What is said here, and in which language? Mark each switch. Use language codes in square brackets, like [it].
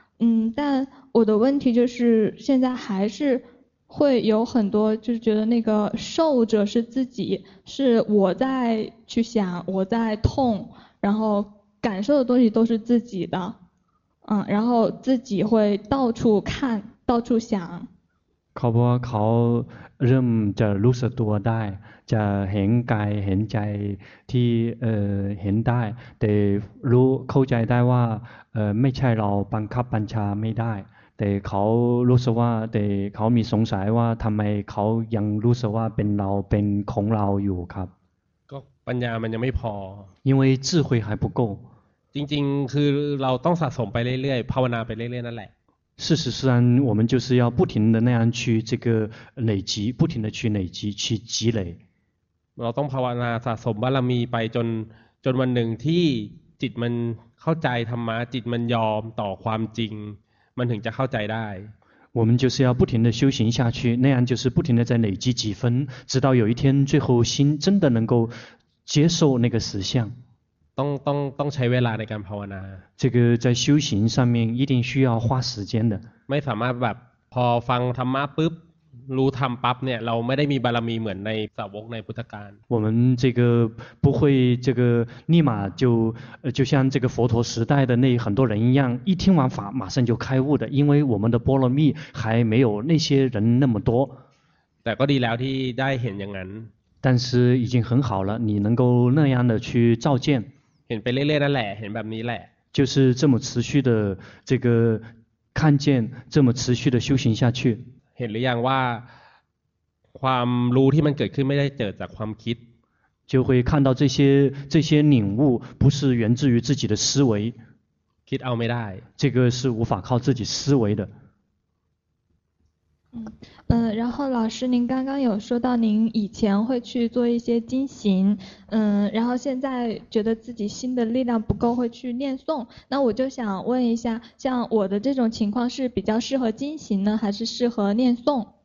[zh] 嗯，但我的问题就是现在还是会有很多，就是觉得那个受者是自己，是我在去想，我在痛，然后感受的东西都是自己的。嗯，然后自己会到处看，到处想。 [th] เขาบอกเขาเริ่มจะรู้สึกตัวได้จะเห็นกายเห็นใจที่เห็นได้แต่รู้เข้าใจได้ว่าไม่ใช่เราบังคับบัญชาไม่ได้แต่เขารู้สึกว่าแต่เขามีสงสัยว่าทำไมเขายังรู้สึกว่าเป็นเราเป็นของเราอยู่ครับ ก็ปัญญามันยังไม่พอ [zh] 因为智慧还不够 [th] จริงๆคือเราต้องสะสมไปเรื่อยๆภาวนาไปเรื่อยๆนั่นแหละ [zh] 事实上我们就是要不停的那样去这个累积不停的去累积去积累 [th] เราต้องภาวนาสะสมบารมีไปจนวันหนึ่งที่จิตมันเข้าใจธรรมะจิตมันยอมต่อความจริงมันถึงจะเข้าใจได้ [zh] 我们就是要不停的修行下去那样就是不停的在累积几分直到有一天最后心真的能够接受那个实相 [th] ต้องใช้เวลาในการภาวนา [zh] 这个在修行上面一定需要花时间的 [th] ไม่สามารถแบบพอฟังธรรมะปุ๊บรู้ธรรมปั๊บเนี่ยเราไม่ได้มีบารมีเหมือนในสาวกในพุทธกาล [zh] 我们这个不会这个立马就像这个佛陀时代的那很多人一样一听完法马上就开悟的因为我们的波罗蜜还没有那些人那么多 [th] แต่ก็ดีแล้วที่ได้เห็นอย่างนั้น [zh] 但是已经很好了你能够那样的去照见 [th] เห็นไปเรื่อยๆนั่นแหละเห็นแบบนี้แหละ [zh] 就是这么持续的这个看见这么持续的修行下去 [th] เห็นหรือยังว่าความรู้ที่มันเกิดขึ้นไม่ได้เกิดจากความคิด [zh] 就会看到这些领悟不是源自于自己的思维 [th] คิดเอาไม่ได้ [zh] 这个是无法靠自己思维的然后老师您刚刚有说到您以前会去做一些经行然后现在觉得自己心的力量不够会去念诵那我就想问一下像我的这种情况是比较适合经行呢还是适合念诵